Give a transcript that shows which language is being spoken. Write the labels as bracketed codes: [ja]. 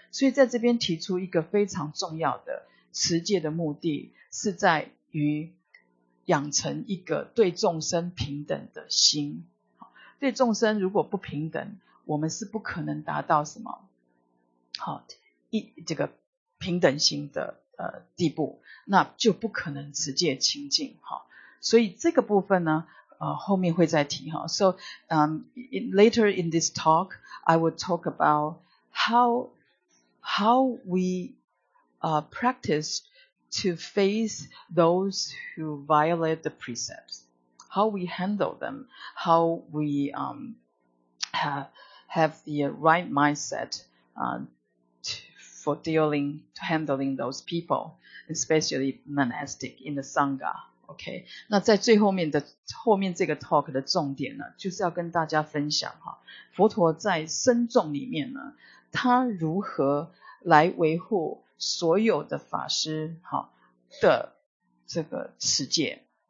[zh] 所以在这边提出一个非常重要的持戒的目的，是在于养成一个对众生平等的心。对众生如果不平等，我们是不可能达到什么这个平等心的地步，那就不可能持戒清净。所以这个部分呢后面会再提。 [en] So, later in this talk, I will talk about how we, practice to face those who violate the precepts. How we handle them. How we, have the right mindset, handling those people, especially monastic in the Sangha. [zh] OK, 那在最后面的后面这个 talk 的重点呢，就是要跟大家分享佛陀在僧众里面呢，他如何来维护所有的法师的这个持戒。